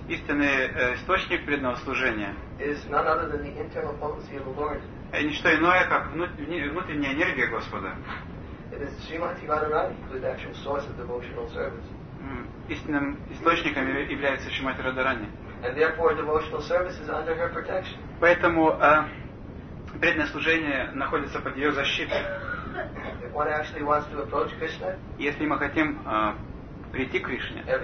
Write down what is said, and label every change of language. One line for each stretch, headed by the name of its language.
Russian: Истинный источник преданного служения.
English: Is none other than the internal potency of the Lord.
Russian: Ничто иное, как внутренняя энергия Господа.
English: It is Srimati Radharani who is the actual source of devotional service.
Russian: Истинным источником является Шримати Радарани.
English: And therefore, devotional service is under her protection.
Russian: Поэтому преданное служение находится под ее защитой.
English: If one actually wants to approach Krishna.
Russian: Если мы хотим прийти к Кришне,